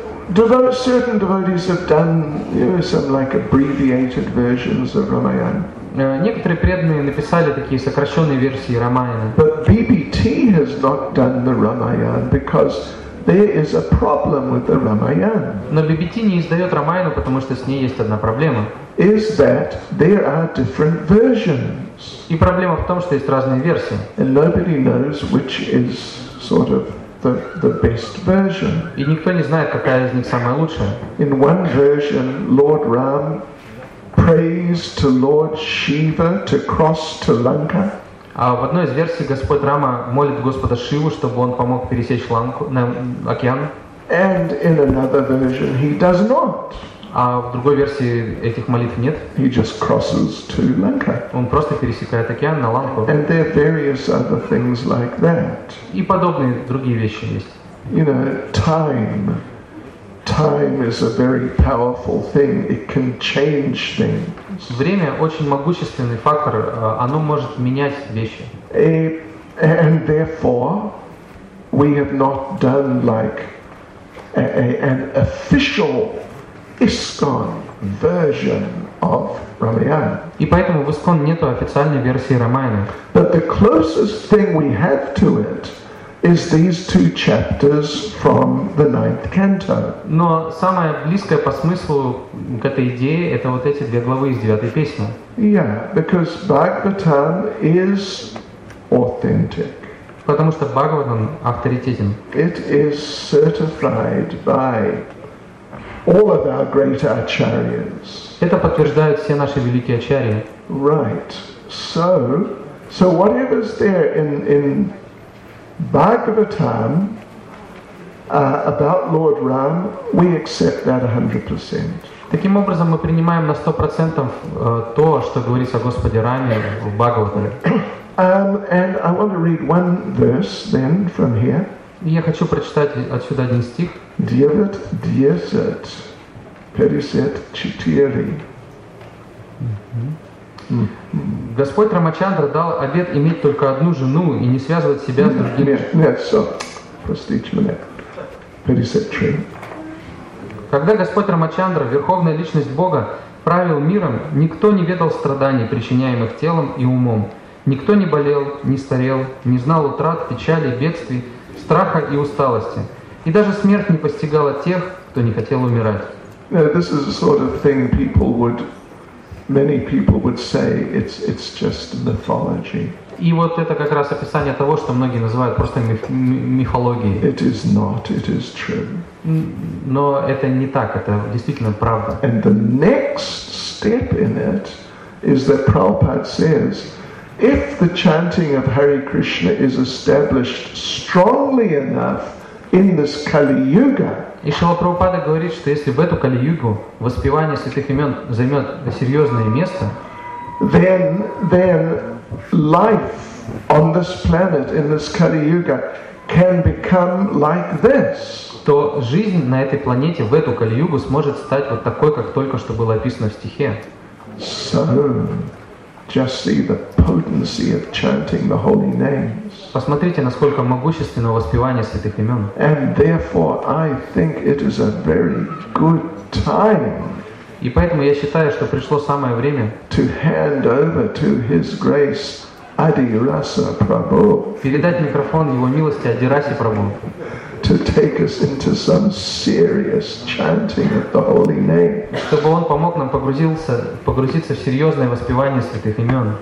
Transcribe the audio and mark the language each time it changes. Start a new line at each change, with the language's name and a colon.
English: You know, certain devotees have done, you know, some like abbreviated versions of Ramayana.
Russian: Некоторые преданные написали такие сокращенные версии Рамаяны.
English: But BBT has not done the Ramayana because there is a problem with the Ramayana.
Russian: Но BBT не издает Рамаяну, потому что с ней есть одна проблема.
English: Is that there are different versions.
Russian: И проблема в том, что есть разные версии.
English: And nobody knows which is sort of the best version.
Russian: И никто не знает, какая из них самая лучшая.
English: In one version, Lord Ram prays to Lord Shiva to cross to Lanka.
Russian: А в одной из версий Господь Рама молит Господа Шиву, чтобы он помог пересечь Ланку, на океан.
English: And in another version, he does not.
Russian: А в другой версии этих молитв нет.
English: He just crosses to Lanka.
Russian: Он просто пересекает океан на Ланку.
English: And there are various other things like that.
Russian: И подобные другие вещи есть.
English: You know, time. Time is a very powerful thing. It can change things.
Russian: Время очень могущественный фактор. Оно может менять вещи.
English: And therefore, we have not done like an official ISKCON version of Ramayana.
Russian: И поэтому в ISKCON нету официальной версии Рамаяны.
English: But the closest thing we have to it is these two chapters from the ninth canto.
Russian: Но самое близкое по смыслу к этой идее это вот эти две главы из девятой песни.
English: Yeah, because Bhagavatam is authentic.
Russian: Потому что Бхагаватам авторитетен.
English: It is certified by all of our great acharyas.
Russian: Это подтверждают все наши великие ачарьи.
English: Right. So whatever is there in Bhagavatam about Lord Ram, we accept that 100%.
Russian: Таким образом, мы принимаем на 100% то, что говорится о Господе Раме в Бхагаватаме.
English: And I want to read one verse then from here.
Russian: Я хочу прочитать отсюда один стих. Девят десят пятьдесят четыре. Господь Рамачандра дал обет иметь только одну жену и не связывать себя с другими. Нет, все. Простите меня. 53. Когда Господь Рамачандра, верховная личность Бога, правил миром, никто не ведал страданий, причиняемых телом и умом. Никто не болел, не старел, не знал утрат, печали, бедствий, страха и усталости. И даже смерть не постигала тех, кто не хотел умирать.
English: This is the sort of thing people would... Many people would say it's just mythology.
Russian: И вот это как раз описание того, что многие называют просто мифологией.
English: It is not, it is true.
Russian: Но это не так, это действительно правда.
English: And the next step in it is that Prabhupada says, if the chanting of Hare Krishna is established strongly enough in this Kali Yuga.
Russian: И Шрила Прабхупада говорит, что если в эту Кали-югу воспевание святых имен займет серьезное место,
English: then life on this planet in this Kali-юга can become like this.
Russian: То жизнь на этой планете в эту Кали-югу сможет стать вот такой, как только что было описано в стихе.
English: So, just see the potency of chanting the holy names.
Russian: Посмотрите, насколько могущественно воспевание святых имен.
English: And therefore, I think it is a very good time.
Russian: И поэтому я считаю, что пришло самое время
English: to hand over to His Grace Adi Rasa Prabhu.
Russian: Передать микрофон Его милости Ади Расе Прабху.
English: To take us into some serious chanting of the holy name.
Russian: Чтобы он помог нам погрузиться в серьезное воспевание святых имен.